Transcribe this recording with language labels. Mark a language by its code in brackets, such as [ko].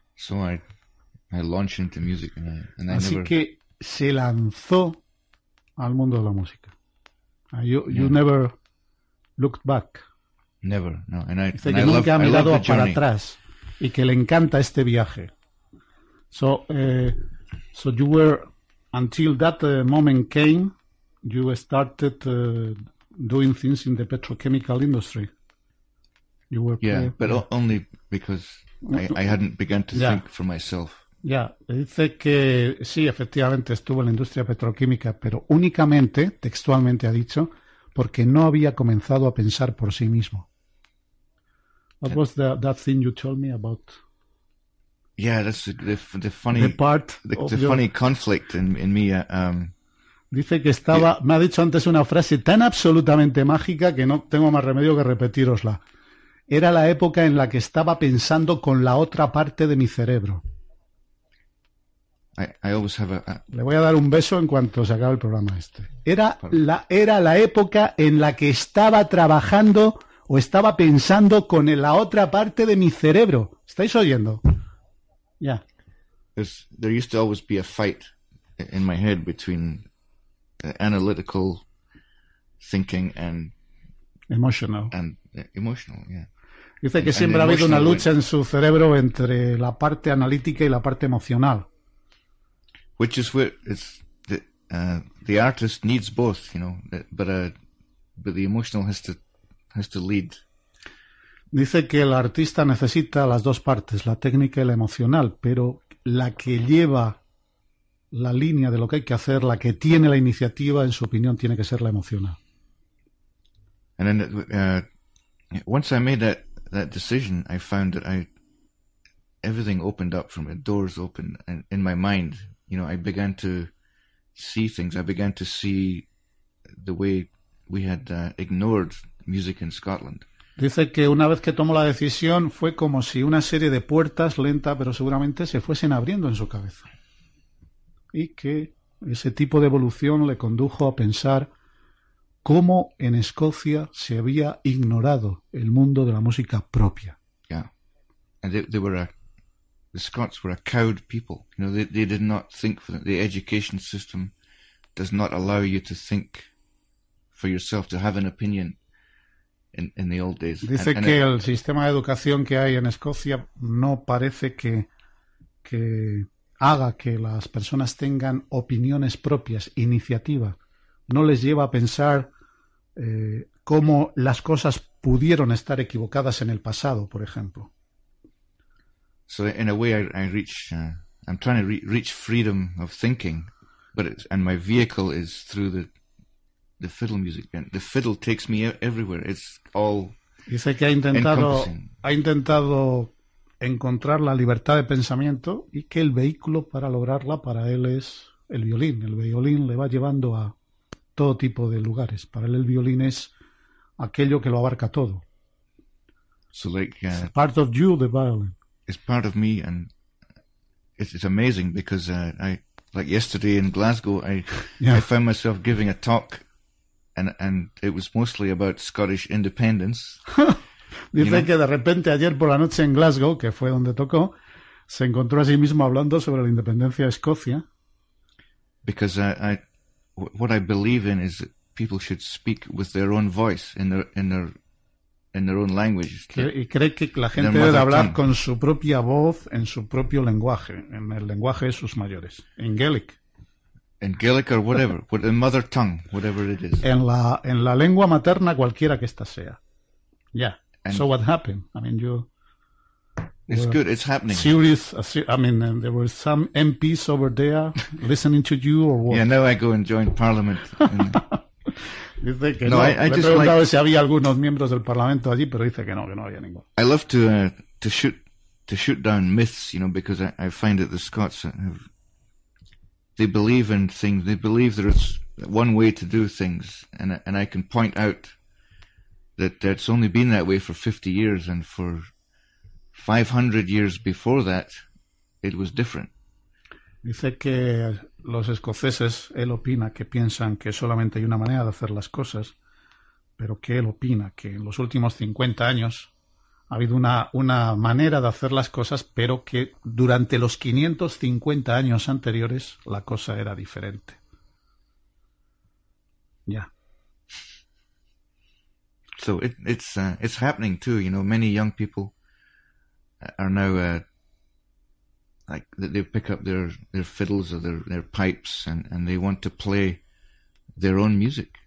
[en] So I launched into music and I [es] Así [en] never... [es] que se lanzó al mundo de la música. [en] You never looked back. Never, no. And I, [es] dice que nunca ha mirado para atrás y que le encanta este viaje. [en] So you were, until that moment came, you started doing things in the petrochemical industry. You were only because I hadn't begun to think for myself. [es] Yeah, dice que sí, efectivamente estuvo en la industria petroquímica, pero únicamente, textualmente ha dicho, porque no había comenzado a pensar por sí mismo. [en] What was that thing you told me about? Yeah, that's the funny conflict in me. [es] Dice que estaba, me ha dicho antes una frase tan absolutamente mágica que no tengo más remedio que repetirosla. Era la época en la que estaba pensando con la otra parte de mi cerebro. Le voy a dar un beso en cuanto se acabe el programa este. Era la época en la que estaba trabajando o estaba pensando con la otra parte de mi cerebro. ¿Estáis oyendo? Ya. [en] Yeah. There used to always be a fight in my head between analytical thinking and emotional. And emotional, yeah. [es] Dice que siempre ha habido una lucha en su cerebro entre la parte analítica y la parte emocional. [en] Which is where it's the artist needs both, you know, but the emotional has to lead. [es] Dice que el artista necesita las dos partes, la técnica y la emocional, pero la que lleva la línea de lo que hay que hacer, la que tiene la iniciativa, en su opinión, tiene que ser la emocional. [en] And then, once I made that decision, I found that everything opened up for me, doors opened in my mind. You know, I began to see things. I began to see the way we had ignored music in Scotland. [es] Dice que una vez que tomó la decisión fue como si una serie de puertas lenta pero seguramente se fuesen abriendo en su cabeza. Y que ese tipo de evolución le condujo a pensar cómo en Escocia se había ignorado el mundo de la música propia. [en] Yeah. And they were the Scots were a cowed people. You know, they did not think for them. The education system does not allow you to think for yourself, to have an opinion. In the old days. [es] Dice que el sistema de educación que hay en Escocia no parece que haga que las personas tengan opiniones propias, iniciativa. No les lleva a pensar cómo las cosas pudieron estar equivocadas en el pasado, por ejemplo. [en] So in a way I'm trying to reach freedom of thinking, and my vehicle is through the fiddle music, and the fiddle takes me everywhere. It's all. [es] Dice que ha intentado encontrar la libertad de pensamiento y que el vehículo para lograrla para él es el violín. El violín le va llevando a todo tipo de lugares. Para él el violín es aquello que lo abarca todo. [en] So like it's part of you, the violin. It's part of me, and it's amazing because I like yesterday in Glasgow I found myself giving a talk. And it was mostly about Scottish independence. [es] Dice, [en] you know, [es] que de repente ayer por la noche en Glasgow, que fue donde tocó, se encontró a sí mismo hablando sobre la independencia de Escocia. [en] Because I what I believe in is that people should speak with their own voice in their own language. [es] Y cree que la gente debe hablar con su propia voz en su propio lenguaje, en el lenguaje de sus mayores, en Gaelic. [en] In Gaelic or whatever, the mother tongue, whatever it is. [es] En la lengua materna, cualquiera que esta sea. [en] Yeah. And so what happened? I mean, you It's good. It's happening. Serious. There were some MPs over there listening to you or what? Yeah, now I go and join Parliament. [es] Dice que no, [en] I just like... [es] Le he preguntado si había algunos miembros del Parlamento allí, pero dice que no había ninguno. [en] I love to shoot down myths, you know, because I find that the Scots have... They believe in things. They believe there is one way to do things. And I can point out that it's only been that way for 50 years and for... 500 years before that, it was different. [es] Dice que los escoceses, él opina que piensan que solamente hay una manera de hacer las cosas, pero que él opina que en los últimos 50 años ha habido una manera de hacer las cosas, pero que durante los 550 años anteriores la cosa era diferente. Ya. [en] So it's happening too, you know, many young people are now like they pick up their fiddles or their pipes and they want to play their own music.